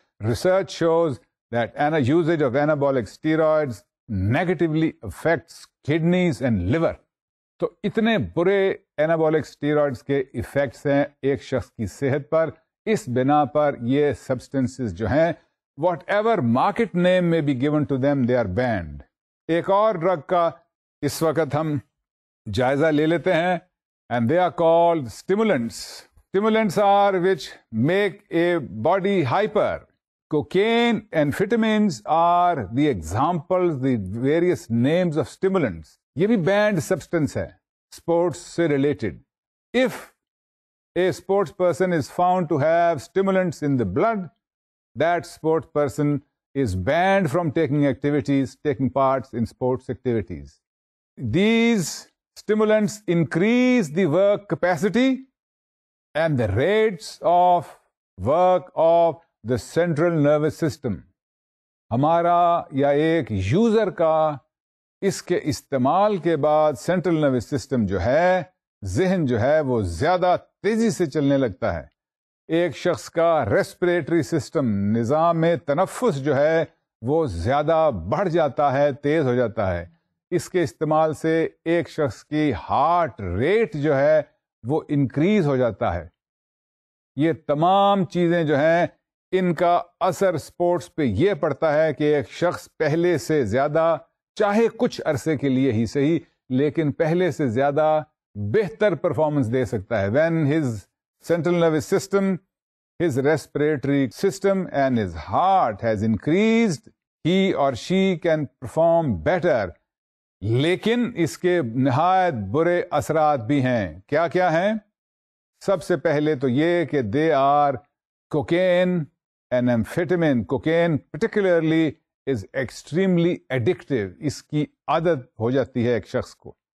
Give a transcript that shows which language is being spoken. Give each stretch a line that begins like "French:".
English: Research shows that usage of anabolic steroids negatively affects kidneys and liver.
Urdu: تو اتنے برے anabolic steroids کے effects ہیں ایک شخص کی صحت پر. اس بنا پر یہ
English: substances
Urdu: جو ہیں
English: whatever market name may be given to them, they are banned.
Urdu: ایک اور drug کا اس وقت ہم جائزہ لے لیتے ہیں
English: and they are called stimulants. Stimulants are which make a body hyper. Cocaine and amphetamines are the examples, the various names of stimulants.
Urdu: Yeh bhi banned substance hai, sports se related.
English: If a sports person is found to have stimulants in the blood, that sports person is banned from taking parts in sports activities. These stimulants increase the work capacity and the rates of work of the central nervous system.
Urdu: ہمارا یا ایک user کا اس کے استعمال کے بعد central nervous system جو ہے، ذہن جو ہے، وہ زیادہ تیزی سے چلنے لگتا ہے. ایک شخص کا ریسپریٹری سسٹم، نظام تنفس جو ہے، وہ زیادہ بڑھ جاتا ہے، تیز ہو جاتا ہے. اس کے استعمال سے ایک شخص کی ہارٹ ریٹ جو ہے وہ انکریز ہو جاتا ہے. یہ تمام چیزیں جو ہیں ان کا اثر سپورٹس پہ یہ پڑتا ہے کہ ایک شخص پہلے سے زیادہ، چاہے کچھ عرصے کے لیے ہی صحیح، لیکن پہلے سے زیادہ بہتر پرفارمنس دے سکتا ہے.
English: When his central nervous system, his respiratory system and his heart has increased, he or she can perform better.
Urdu: لیکن اس کے نہایت برے اثرات بھی ہیں. کیا کیا ہیں؟ سب سے پہلے تو یہ کہ
English: They are cocaine and amphetamine. Cocaine particularly is extremely addictive,
Urdu: اس کی عادت ہو جاتی ہے ایک شخص کو.